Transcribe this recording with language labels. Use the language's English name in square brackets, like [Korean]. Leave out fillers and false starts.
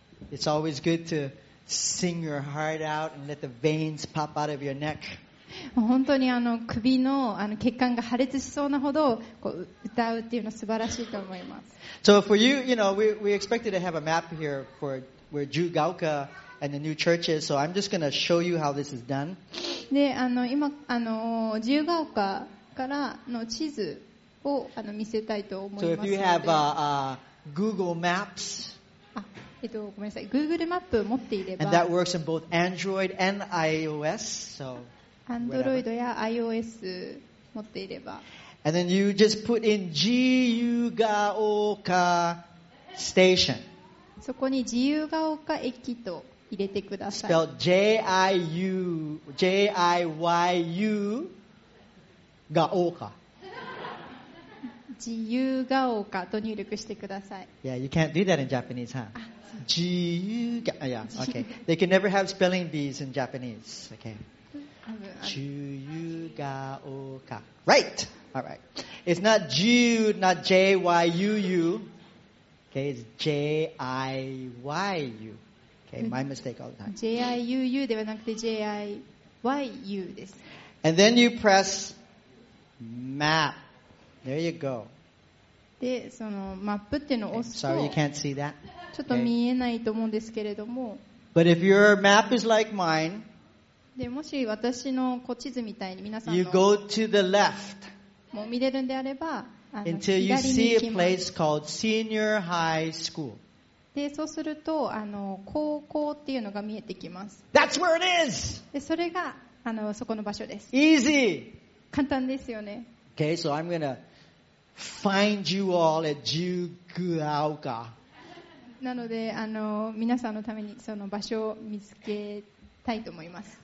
[English] It's always good to sing your heart out and let the veins pop out of your neck. [Japanese] 本当に首の血管が破裂しそうなほど歌うっていうの素晴らしいと思います。 [English] So for you, you know, we expected to have a map here for where Ju Gaoka. And the new churches. So I'm just gonna show you how this is done. [Japanese] で、今自由が丘からの地図を見せたいと思いますので。 [English] So if you have Google Maps, [Japanese] ごめんなさい、Google マップ持っていれば、 [English] and that works in both Android and iOS. So [Japanese] Android や iOS 持っていれば、 [English] and then you just put in 自由が丘 station. [Japanese] そこに自由が丘駅と入れてください。 [English] Spelled J-I-U, J-I-Y-U, Gaoka. [Japanese] 自由が丘と入力してください。 [English] Yeah, you can't do that in Japanese, huh? 自由が、yeah, okay. They can never have spelling bees in Japanese, okay. 自由が丘。Right! Alright. It's not 自由, not J-Y-U-U. Okay, it's J-I-Y-U. Okay, my mistake all the time. [Japanese] J-I-U-U ではなくて J-I-Y-U です。 [English] And then you press map. There you go. [Japanese] で、そのマップっていうのを押すと、 [English] sorry, you can't see that. [Japanese] ちょっと見えないと思うんですけれども。 [English] But if your map is like mine, [Japanese] で、もし私の小地図みたいに皆さんの、 [English] you go to the left. [Japanese] もう見れるんであれば、 [English] until you see a place called Senior High School. [Japanese] で、そうすると、高校っていうのが見えてきます。 [English] That's where it is! [Japanese] で、それが、そこの場所です。 [English] Easy! [Japanese] 簡単ですよね。 [English] Okay, so I'm gonna find you all at 自由が丘。 [Japanese] なので、皆さんのためにその場所を見つけたいと思います。